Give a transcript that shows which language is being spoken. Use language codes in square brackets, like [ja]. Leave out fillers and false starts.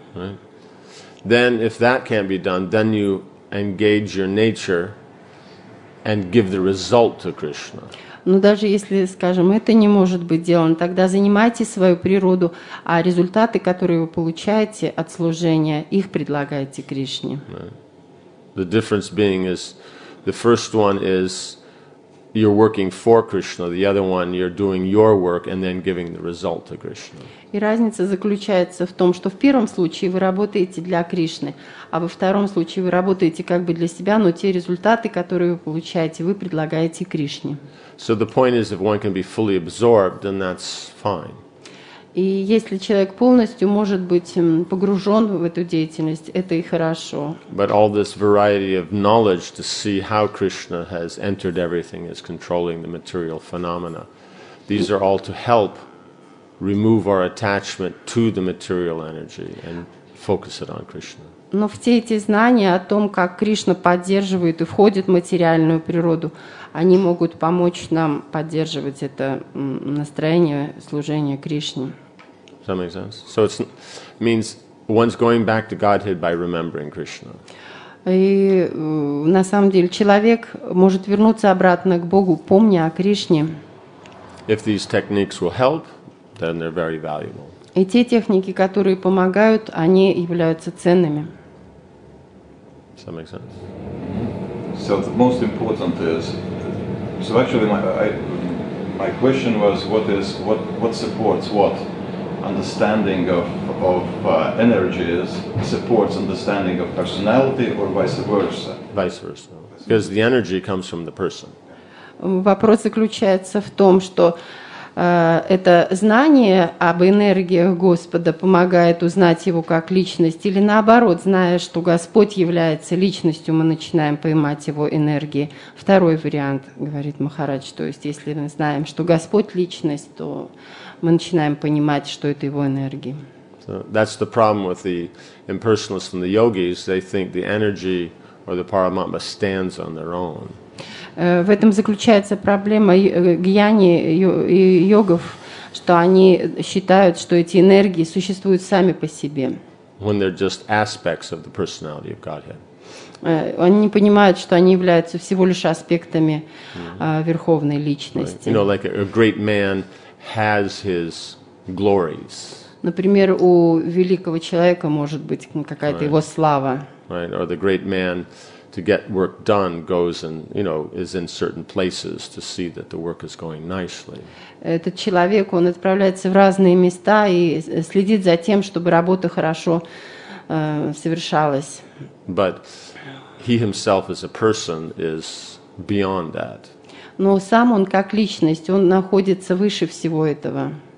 [en] Right. Then if that can't be done, then you engage your nature and give the result to Krishna. [ru] Но даже если, скажем, это не может быть сделано, тогда занимайте свою природу, а результаты, которые вы получаете от служения, их предлагайте Кришне. [en] The difference being is the first one is you're working for Krishna, the other one you're doing your work and then giving the result to Krishna. [ru] И разница заключается в том, что в первом случае вы работаете для Кришны, а во втором случае вы работаете как бы для себя, но те результаты, которые вы получаете, вы предлагаете Кришне. [en] So the point is, if one can be fully absorbed, then that's fine. [ru] И если человек полностью может быть погружен в эту деятельность, это и хорошо. [en] But all this variety of knowledge to see how Krishna has entered everything, is controlling the material phenomena. These are all to help remove our attachment to the material energy and focus it on Krishna. [ru] Но все эти знания о том, как Кришна поддерживает и входит в материальную природу, они могут помочь нам поддерживать это настроение служения Кришне. [en] That makes sense. So it means one's going back to Godhead by remembering Krishna. [ru] И на самом деле человек может вернуться обратно к Богу, помня о Кришне. [en] If these techniques will help, then they're very valuable. [ru] И те техники, которые помогают, они являются ценными. [en] Does that make sense? So the most important is, so actually my question was, what supports what? Understanding of energies supports understanding of personality, or vice versa? Vice versa. Because the energy comes from the person. [ru] Вопрос заключается в том, что это знание об энергиях Господа помогает узнать его как личность, или наоборот, зная, что Господь является личностью, мы начинаем поймать его энергии. Второй вариант, говорит Махарадж, то есть если мы знаем, что Господь личность, то мы начинаем понимать, что это его энергии. [en] So that's the problem with the impersonalists and the yogis. They think the energy or the Paramatma stands on their own. [ru] В этом заключается проблема гьяни и йогов, что они считают, что эти энергии существуют сами по себе. [en] When they're just aspects of the personality of Godhead. [ru] Они не понимают, что они являются всего лишь аспектами верховной личности. [en] You know, like a great man has his glories. [ru] Например, у великого человека может быть какая-то его слава. [en] Right, or the great man to get work done goes and, you know, is in certain places to see that the work is going nicely. [ru] Этот человек, он отправляется в разные места и следит за тем, чтобы работа хорошо совершалась. [en] But he himself as a person is beyond that. [ru] Но сам он как личность, он находится выше всего этого.